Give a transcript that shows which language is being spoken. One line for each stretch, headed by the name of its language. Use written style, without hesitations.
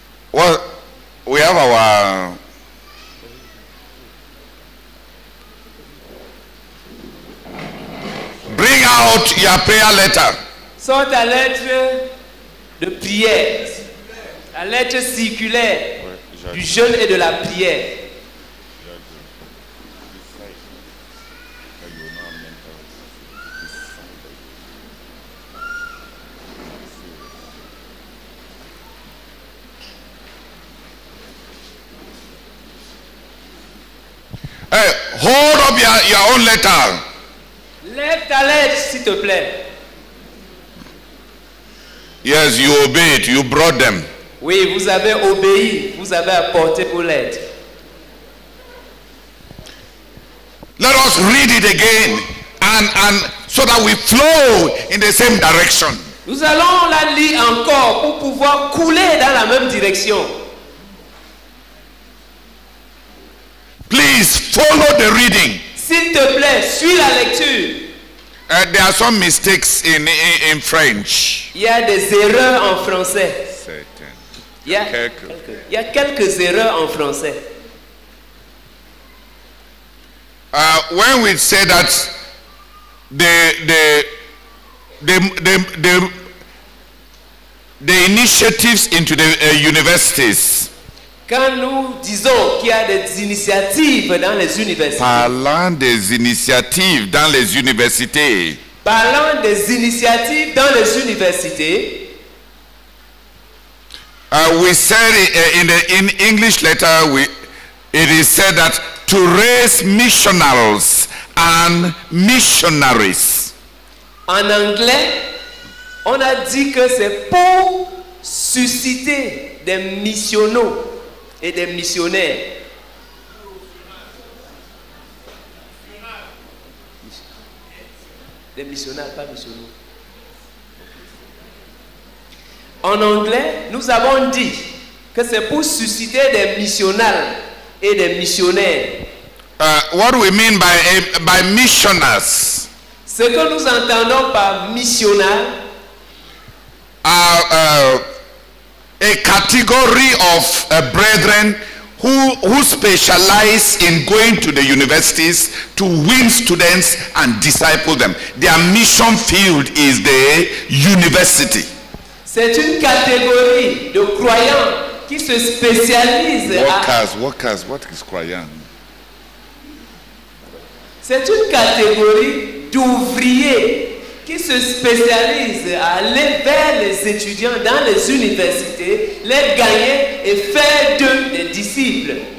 English: Well, we have our bring out your prayer letter.
French: Sors ta lettre de prière, la lettre circulaire du jeûne et de la prière.
English: Hey, hold up your own letter.
French: Lève ta lettre, s'il te plaît.
English: Yes, you obeyed. You brought them.
French: Oui, vous avez obéi. Vous avez apporté vos lettres.
English: Let us read it again, and so that we flow in the same direction.
French: Nous allons la lire encore pour pouvoir couler dans la même direction.
English: Please follow the reading.
French: S'il te plaît, suis la lecture.
English: There are some mistakes in French.
French: Il y a des erreurs en français. Il y a quelques erreurs en français.
English: When we say that the initiatives into the universities.
French: Quand nous disons qu'il y a des initiatives dans les universités. Parlant des initiatives dans les universités. Parlant des initiatives dans les universités.
English: We said in English letter, it is said that to raise missionaries and missionaries.
French: En anglais, on a dit que c'est pour susciter des missionnaux. Et des missionnaires. Des missionnaires, pas missionnaires. En anglais, nous avons dit que c'est pour susciter des missionnaires et des missionnaires.
English: What we mean by missionaries?
French: Ce que nous entendons par missionnaires.
English: A category of brethren who specialize in going to the universities to win students and disciple them. Their mission field is the university.
French: C'est une catégorie de croyants qui se spécialise.
English: Workers, what is croyant?
French: C'est une catégorie d'ouvriers qui se spécialise à aller vers les étudiants dans les universités, les gagner et faire d'eux des disciples.